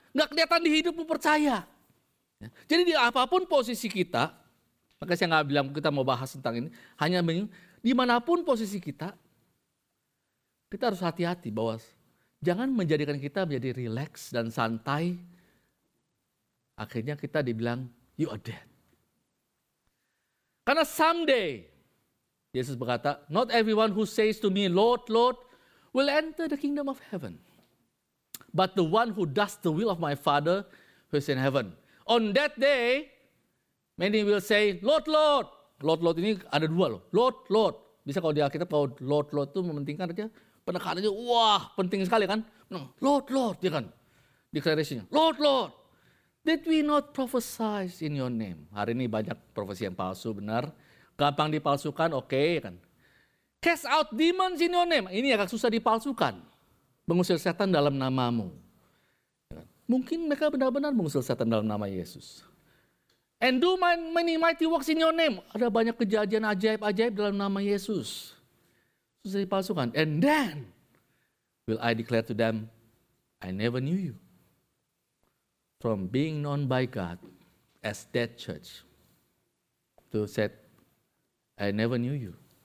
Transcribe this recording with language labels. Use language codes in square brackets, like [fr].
[id] Gak kelihatan di hidupmu percaya. Ya. Jadi di apapun posisi kita, maka saya gak bilang kita mau bahas tentang ini, hanya dimanapun posisi kita, kita harus hati-hati bahwa jangan menjadikan kita menjadi relax dan santai. Akhirnya kita dibilang, [en] you are dead. Karena someday, [id] Yesus berkata, [en] not everyone who says to me, Lord, Lord, will enter the kingdom of heaven. But the one who does the will of my Father who is in heaven. On that day, many will say, Lord, Lord. [id] Lord, Lord ini ada dua loh. Lord, Lord. Bisa kalau di Alkitab, kalau Lord, Lord itu mementingkan aja. Penekanannya, wah, penting sekali kan. Lord, Lord, ya kan. Declaration-nya, Lord, Lord. [en] Did we not prophesy in your name? [id] Hari ini banyak profesi yang palsu, benar. Gampang dipalsukan, oke, okay, kan. [en] Cast out demons in your name. [id] Ini agak susah dipalsukan. Mengusir setan dalam namamu. Mungkin mereka benar-benar mengusir setan dalam nama Yesus. [en] And do many mighty works in your name. [id] Ada banyak kejadian ajaib-ajaib dalam nama Yesus. Susah dipalsukan. [en] And then, will I declare to them, I never knew you. From being known by God as dead church to said, I never knew you.